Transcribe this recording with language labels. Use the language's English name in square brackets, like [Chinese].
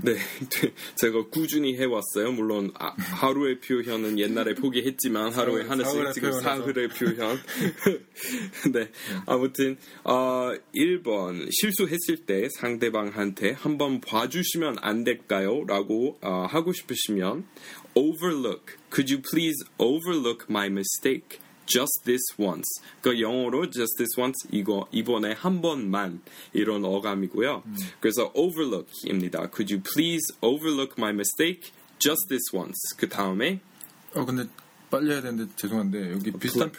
[Korean] 네, 제가 꾸준히 해왔어요. 물론 하루의 표현은 옛날에 포기했지만 하루에 하나씩 지금 사흘의 표현. 네, 아무튼 1번, 실수했을 때 상대방한테 한번 봐주시면 안 될까요? 라고 하고 싶으시면 overlook. [English] Could you please overlook my mistake just this once? [Korean] 그 영어로 [English] just this once [Korean] 이거 이번에 한 번만 이런 어감이고요. 그래서 overlook입니다. [English] Could you please overlook my mistake just this once? [Korean] 그 다음에 근데 빨리 해야 되는데 죄송한데 여기 비슷한 put.